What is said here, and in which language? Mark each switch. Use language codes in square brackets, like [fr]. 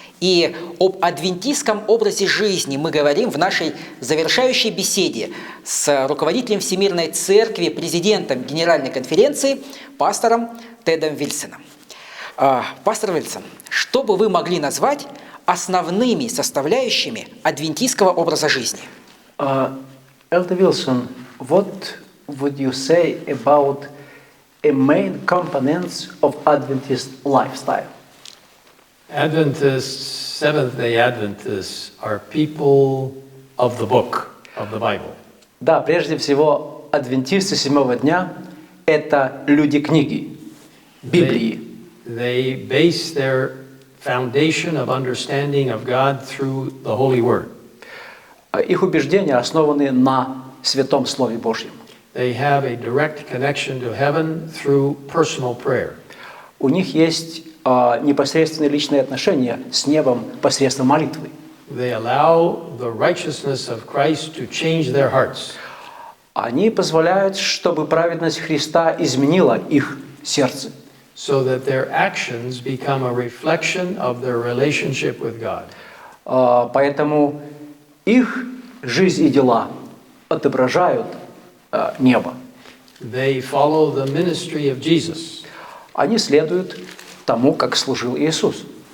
[ru] И об адвентистском образе жизни мы говорим в нашей завершающей беседе с руководителем Всемирной Церкви, президентом Генеральной конференции, пастором Тедом Вильсоном. Пастор Вильсон, что бы вы могли назвать основными составляющими адвентистского образа жизни? [en] Элдер Вильсон, what would you say about the main components of Adventist lifestyle? Adventists, Seventh-day Adventists are people of the book, of the Bible. [ru] Да, прежде всего, адвентисты седьмого дня – это люди книги, Библии. [en] They base their foundation of understanding of God through the Holy Word. [ru] Их убеждения основаны на Святом Слове Божьем. [en] They have a direct connection to heaven through personal prayer. [ru] У них есть непосредственные личные отношения с небом посредством молитвы. [en] They allow the righteousness of Christ to change their hearts. [ru] Они позволяют, чтобы праведность Христа изменила их сердце. [en] So that their actions become a reflection of their relationship with God. [ru] Поэтому их жизнь и дела отображают небо. [en] They follow the ministry of Jesus. [ru] Они следуют тому, как служил Иисус.